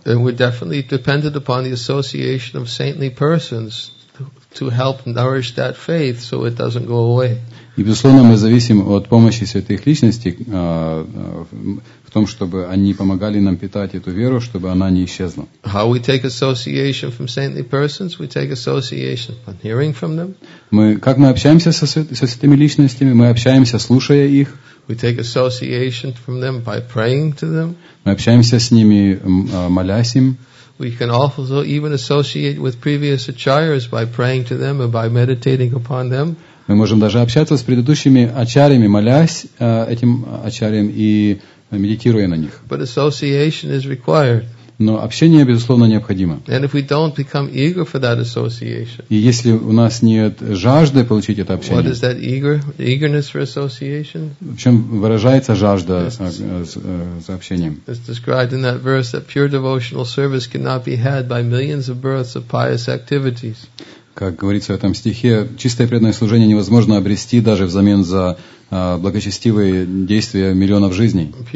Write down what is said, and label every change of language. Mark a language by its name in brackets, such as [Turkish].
[English] And we're definitely dependent upon the association of saintly persons to help nourish that faith so it doesn't go away. [Russian] И, безусловно, мы зависим от помощи святых личностей в том, чтобы они помогали нам питать эту веру, чтобы она не исчезла. [English] How we take association from saintly persons? We take association from hearing from them. [Russian] Как мы общаемся со святыми личностями? Мы общаемся, слушая их. [English] We take association from them by praying to them. [Russian] Мы общаемся с ними, молясь им. [English] We can also even associate with previous acharyas by praying to them and by meditating upon them. [Russian] Мы можем даже общаться с предыдущими ачарьями, молясь этим ачарьям и медитируя на них. [English] But association is required. [Russian] Но общение, безусловно, необходимо. [English] And if we don't become eager for that association, [Russian] и если у нас нет жажды получить это общение, [English] what is that eagerness for association? [Russian] В чем выражается жажда за общением? [English] It's described in that verse that pure devotional service cannot be had by millions of births of pious activities. [Russian] Как говорится в этом стихе, чистое преданное служение невозможно обрести даже взамен за благочестивые действия миллионов жизней.